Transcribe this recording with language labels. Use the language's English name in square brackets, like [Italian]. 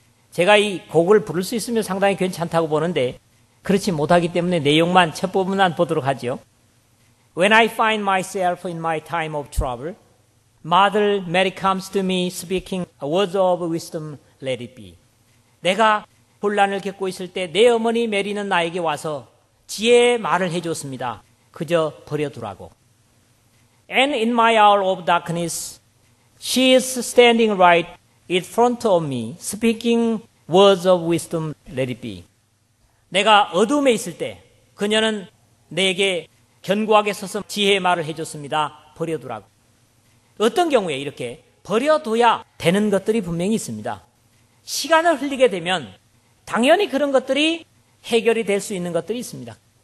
[Korean] 제가 이 곡을 부를 수 있으면 상당히 괜찮다고 보는데 그렇지 못하기 때문에 내용만 첫 부분만 보도록 하죠. [English] When I find myself in my time of trouble, Mother Mary comes to me speaking words of wisdom, let it be. [Korean] 내가 혼란을 겪고 있을 때 내 어머니 메리는 나에게 와서 지혜의 말을 해줬습니다. 그저 버려두라고. [English] And in my hour of darkness, she is standing right in front of me, speaking words of wisdom, let it be. [Korean] 내가 어둠에 있을 때 그녀는 내게 견고하게 서서 지혜의 말을 해줬습니다. 버려두라고. 어떤 경우에 이렇게 버려둬야 되는 것들이 분명히 있습니다. 시간을 흘리게 되면 당연히 그런 것들이 해결이 될 수 있는 것들이 있습니다.